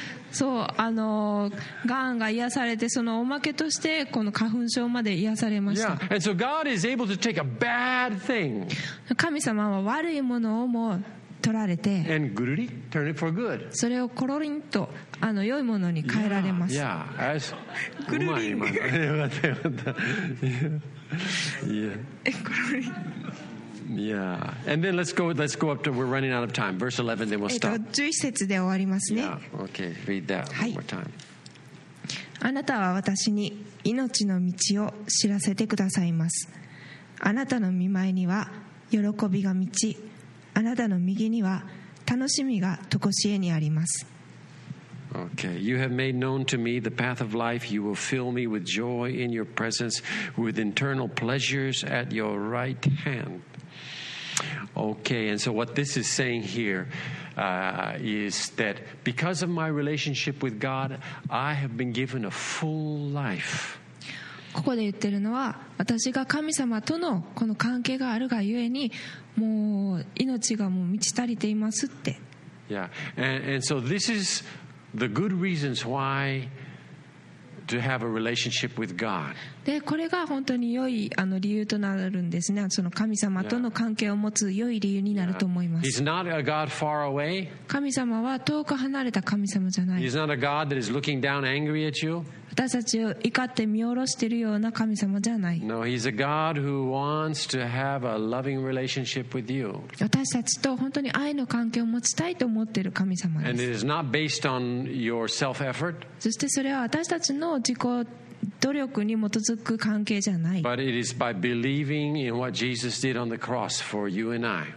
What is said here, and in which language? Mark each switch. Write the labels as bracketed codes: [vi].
[ja] そう、癌が癒されてそのおまけとしてこの花粉症まで癒されました。 [en] Yeah, and so God is able to take a bad thing. [ja] 神様は悪いものをも取られて、 [en] And [ja] ぐるり [en] turn it for good. [ja] それをコロリンと良いものに変えられます。 [en] Yeah, yeah. [ja] ぐるりん。うまい、よかったよかった。 [en] Yeah. [ja] コロリン。 [en] Yeah. And then let's go up to we're running out of time. Verse 11, then we'll stop. [ja] 11節で終わりますね。 [en] Yeah. Okay. Read that one more time. [ja] あなたは私に命の道を知らせてくださいます。あなたの御前には喜びが満ち。あなたの右には楽しみがとこしえにあります。 [en] Okay. You have made known to me the path of life. You will fill me with joy in your presence, with internal pleasures at your right hand. Okay. And so what this is saying here, is that because of my relationship with God, I have been given a full life. [ja] ここで言ってるのは私が神様とのこの関係があるがゆえにもう命がもう満ち足りていますって。 [en] Yeah. And so this is the good reasons why to have a relationship with God. [ja] で、これが本当に良い理由となるんですね。その神様との関係を持つ良い理由になると思います。 [en] He's not a God far away. [ja] 神様は遠く離れた神様じゃない。 [en] He's not a God that is looking down angry at you. [ja] 私たちを怒って見下ろしているような神様じゃない。 [en] No, he's a God who wants to have a loving relationship with you. [ja] 私たちと本当に愛の関係を持ちたいと思っている神様です。 [en] And it is not based on your self-effort. [ja] そしてそれは私たちの自己努力に基づく関係じゃない。 [en] But it is by believing in what Jesus did on the cross for you and I.